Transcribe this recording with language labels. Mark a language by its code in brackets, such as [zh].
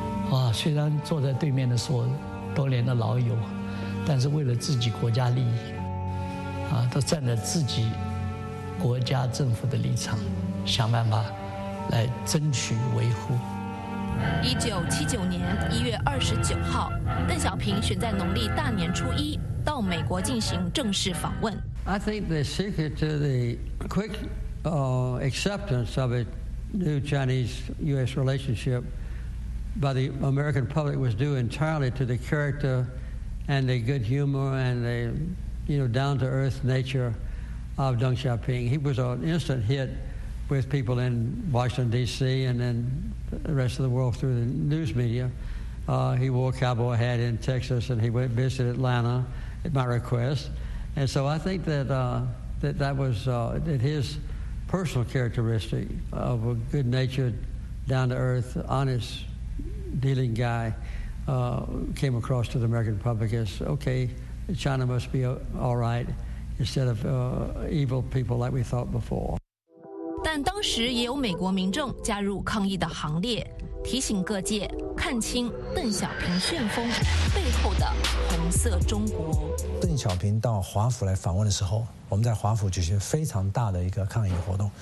[zh] 啊，虽然坐在对面的是我多年的老友，但是为了自己国家利益啊，都站在自己国家政府的立场，想办法来争取维护。 1979年1月29号，邓小平选在农历大年初一到美国进行正式访问。 [en] I think the secret to the quick acceptance of a new Chinese-U.S. relationship by the American public was due entirely to the character and the good humor and the down-to-earth nature of Deng Xiaoping. He was an instant hit with people in Washington, D.C., and then the rest of the world through the news media. He wore a cowboy hat in Texas, and he went and visited Atlanta at my request. And so I think that his personal characteristic of a good-natured, down-to-earth, honest, dealing guy came across to the American public as, okay, China must be all right instead of evil people like we thought before. [zh] 但当时也有美国民众加入抗议的行列，提醒各界看清邓小平旋风背后的红色中国。邓小平到华府来访问的时候，我们在华府举行非常大的一个抗议活动。